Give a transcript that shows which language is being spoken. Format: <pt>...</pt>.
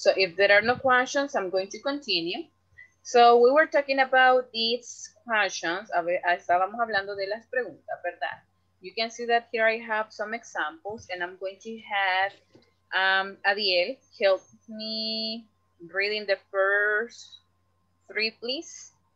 <en>So if there are no questions, I'm going to continue. So we were talking about these questions.</en> <es>A ver, estábamos hablando de las preguntas, ¿verdad?</es> <en>You can see that here I have some examples, and I'm going to have Adiel help me reading the first three, please.</en>